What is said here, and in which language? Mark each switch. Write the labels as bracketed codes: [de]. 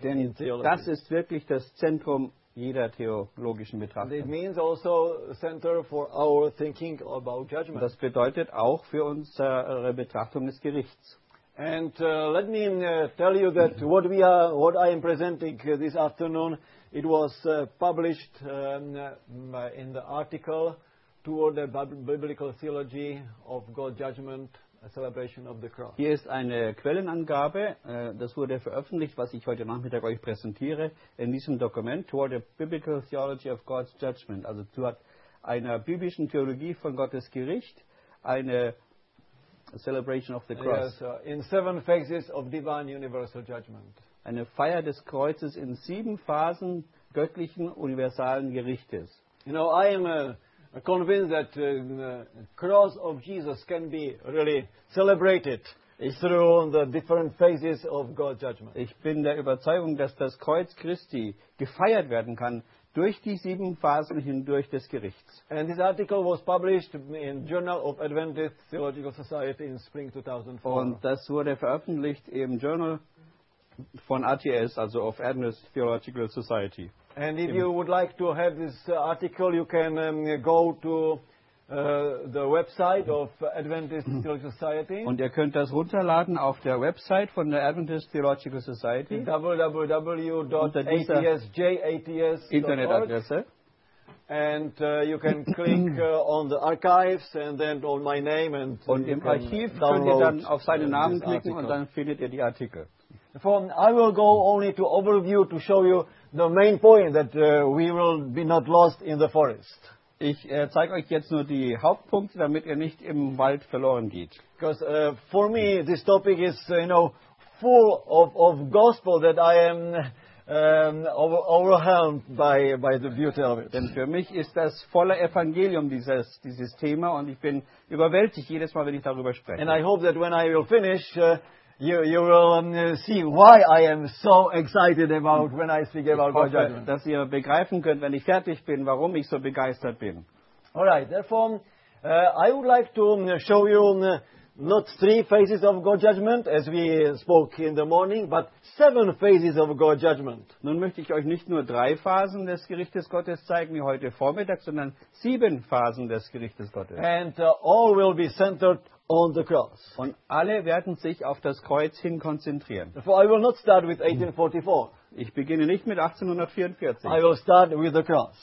[de] Denn [en] in theology. [de] Das ist wirklich das Zentrum jeder theologischen Betrachtung. [en] It means also center for our thinking about judgment. [de] Das bedeutet auch für unsere Betrachtung des Gerichts. [en] And let me tell you that what I am presenting this afternoon, it was published in the article toward the biblical theology of God's judgment, a celebration of the cross. [de] Hier ist eine Quellenangabe, das wurde veröffentlicht, was ich heute Nachmittag euch präsentiere, in diesem Dokument, [en] toward the biblical theology of God's judgment, [de] also zu einer biblischen Theologie von Gottes Gericht, eine [en] celebration of the cross. Yes, in seven phases of divine universal judgment. [de] Eine Feier des Kreuzes in sieben Phasen göttlichen universalen Gerichtes. [en] You know, I am convinced that the cross of Jesus can be really celebrated through the different phases of God's judgment. [de] Ich bin der Überzeugung, dass das Kreuz Christi gefeiert werden kann durch die sieben Phasen hindurch des Gerichts. [en] And this article was published in Journal of Adventist Theological Society in spring 2004. [de] Und das wurde veröffentlicht im Journal von ATS, also of Adventist Theological Society. [en] And if you would like to have this article, you can go to the website of Adventist Theological Society. [de] Und ihr könnt das runterladen auf der Website von der Adventist Theological Society. [en] www.atsjats.org. [de] Internetadresse. [en] And you can click on the archives and then on my name and [de] und im Archiv könnt ihr dann auf seinen Namen klicken article. Und dann findet ihr die Artikel. [en] I will go only to overview to show you the main point that we will be not lost in the forest. [de] Ich zeige euch jetzt nur die Hauptpunkte, damit ihr nicht im Wald verloren geht. [en] Because for me this topic is full of gospel that I am overwhelmed by the beauty of it. [de] Denn für mich ist das voller Evangelium dieses Thema und ich bin überwältigt jedes Mal, wenn ich darüber spreche. [en] And I hope that when I will finish you will see why I am so excited about when I speak about God's judgment. [de] Dass ihr begreifen könnt, wenn ich fertig bin, warum ich so begeistert bin. [en] All right, therefore I would like to show you not three phases of God's judgment as we spoke in the morning, but seven phases of God's judgment. [de] Nun möchte ich euch nicht nur drei Phasen des Gerichtes Gottes zeigen wie heute Vormittag, sondern sieben Phasen des Gerichtes Gottes. [en] And all will be centered on the cross. [de] Und alle werden sich auf das Kreuz hin konzentrieren. [en] Therefore, I will not start with 1844. [de] Ich beginne nicht mit 1844. [en] I will start with the cross.